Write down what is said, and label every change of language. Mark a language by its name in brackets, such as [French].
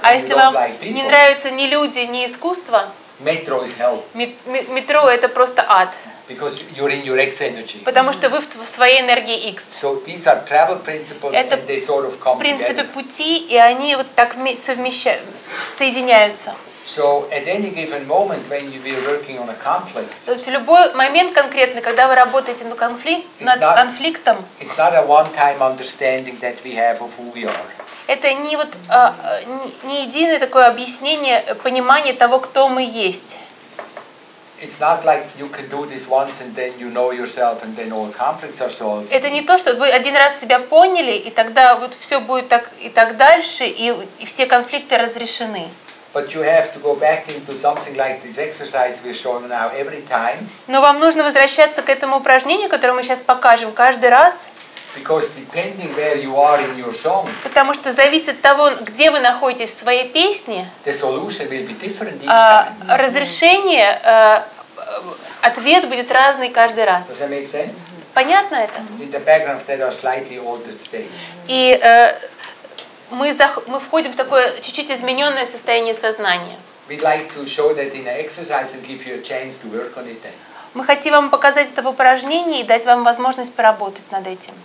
[Russian] а если вам не нравятся ни люди, ни искусство, [English] metro is hell. [Russian] Метро это просто ад. [English] Because you're in your X energy. [Russian] Потому что вы в своей энергии X. [English] So these are travel principles, [Russian] это [English] and they sort of come together. [Russian] Принципы пути, и они вот так соединяются. [English] So at any given moment when you be working on a conflict. [Russian] То есть любой момент конкретный, когда вы работаете над конфликтом. [English] It's not a one-time understanding that we have of who we are. [Russian] Это не вот не единое такое объяснение, понимание того, кто мы есть. [English] It's not like you can do this once and then you know yourself and then all conflicts are solved. [Russian] Это не то, что вы один раз себя поняли, и тогда вот всё будет так и так дальше, и все конфликты разрешены. [English] But you have to go back into something like this exercise we're showing now every time. [Russian] Но вам нужно возвращаться к этому упражнению, которое мы сейчас покажем каждый раз. [English] Because depending where you are in your song. [Russian] Потому что зависит от того, где вы находитесь в своей песне. [English] The solution will be different each time. [Russian] Разрешение, ответ будет разный каждый раз. [English] Does that make sense? [Russian] Понятно это? [English] With the background that are slightly altered states. [Russian] И мы входим в такое чуть-чуть изменённое состояние сознания. [English] We'd like to show that in an exercise and give you a chance to work on it then. [Russian] Мы хотим вам показать это в упражнении и дать вам возможность поработать над этим.